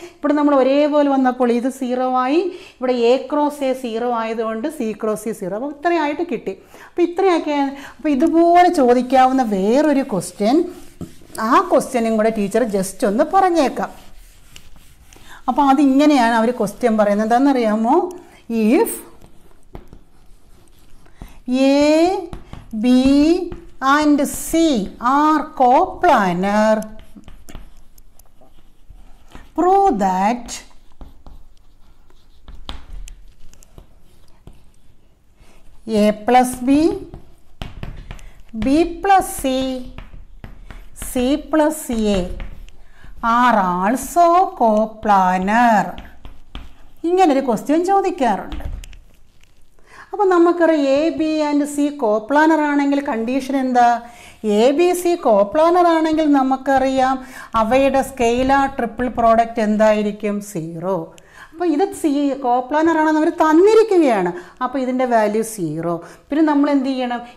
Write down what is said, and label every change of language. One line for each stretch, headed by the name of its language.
Malayalam: ഇവിടെ നമ്മൾ ഒരേപോലെ വന്നപ്പോൾ ഇത് സീറോ ആയി, ഇവിടെ എ ക്രോസ് എ സീറോ ആയതുകൊണ്ട് സി ക്രോസ് എ സീറോ. അപ്പോൾ ഇത്രയായിട്ട് കിട്ടി. അപ്പോൾ ഇത്രയൊക്കെ. അപ്പോൾ ഇതുപോലെ ചോദിക്കാവുന്ന വേറൊരു ക്വസ്റ്റ്യൻ, ആ ക്വസ്റ്റ്യനും കൂടെ ടീച്ചർ ജസ്റ്റ് ഒന്ന് പറഞ്ഞേക്കാം. അപ്പോൾ അതിങ്ങനെയാണ് അവർ ക്വസ്റ്റ്യൻ പറയുന്നത്. എന്താണെന്നറിയാമോ?
English: If A B and C are coplanar, prove that a plus b, b plus c, c plus a are also coplanar.
Malayalam: ഇങ്ങനൊരു ക്വസ്റ്റ്യൻ ചോദിക്കാറുണ്ട്. അപ്പോൾ നമുക്കറിയാം A B and C coplanar ആണെങ്കിൽ കണ്ടീഷൻ എന്താ? എ ബി സി കോപ്ലാനർ ആണെങ്കിൽ നമുക്കറിയാം അവയുടെ scalar triple product എന്തായിരിക്കും? സീറോ. അപ്പോൾ ഇത് സി കോപ്ലാനർ ആണെന്ന് അവർ തന്നിരിക്കുകയാണ്. അപ്പോൾ ഇതിൻ്റെ വാല്യൂ സീറോ. പിന്നെ നമ്മൾ എന്ത് ചെയ്യണം?